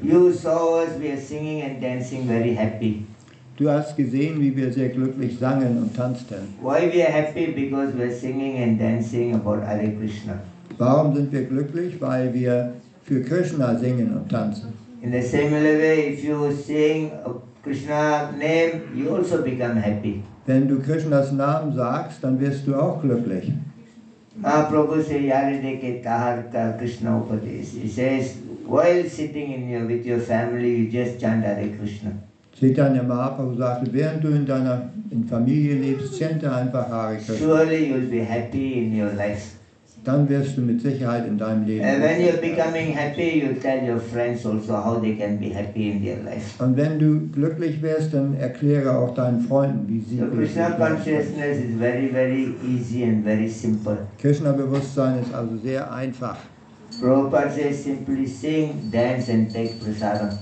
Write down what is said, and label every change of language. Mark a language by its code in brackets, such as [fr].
[en] You saw us, we are singing and dancing very happy. [de] Du hast gesehen, wie wir sehr glücklich sangen und tanzten. [en] Why we are happy? Because we are singing and dancing about Hare Krishna. [de] Warum sind wir glücklich? Weil wir für Krishna singen und tanzen. [en] In the same way, if you sing Krishna name, you also become happy. [de] Wenn du Krishnas Namen sagst, dann wirst du auch glücklich. [en] Mahaprabhu says, [bn] Yaride ke taharka Krishna upadesh. [en] He says, while sitting in your, with your family, you just chant Hare Krishna. [de] Chaitanya Mahaprabhu sagte, während du in Familie lebst, chante einfach Hare Krishna. [en] Surely you'll be happy in your life. [de] dann wirst du mit Sicherheit in deinem Leben. [en] And when you're becoming happy, you tell your friends also how they can be happy in their life. [de] Und wenn du glücklich wirst, dann erkläre auch deinen Freunden, wie sie glücklich sein können. [en] Krishna consciousness is very, very easy and very simple. [de] Krishna Bewusstsein ist also sehr einfach. [en] Prabhupada says simply sing, dance and take prasadam.